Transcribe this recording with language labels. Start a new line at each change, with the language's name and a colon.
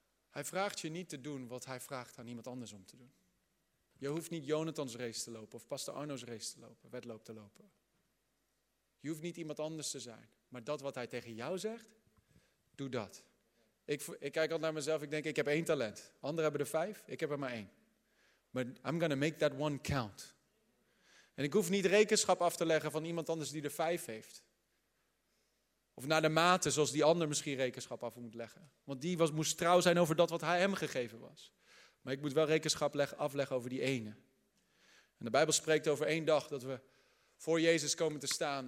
Dutch: Hij vraagt je niet te doen wat hij vraagt aan iemand anders om te doen. Je hoeft niet Jonathan's race te lopen of Pastor Arno's race te lopen, wedloop te lopen. Je hoeft niet iemand anders te zijn. Maar dat wat hij tegen jou zegt, doe dat. Ik kijk altijd naar mezelf, ik denk ik heb 1 talent. Anderen hebben er 5, ik heb er maar 1.
English: But I'm gonna make that one count.
Dutch: En ik hoef niet rekenschap af te leggen van iemand anders die er 5 heeft. Of naar de mate zoals die ander misschien rekenschap af moet leggen. Want die moest trouw zijn over dat wat hij hem gegeven was. Maar ik moet wel rekenschap afleggen over die ene. En de Bijbel spreekt over 1 dag dat we voor Jezus komen te staan.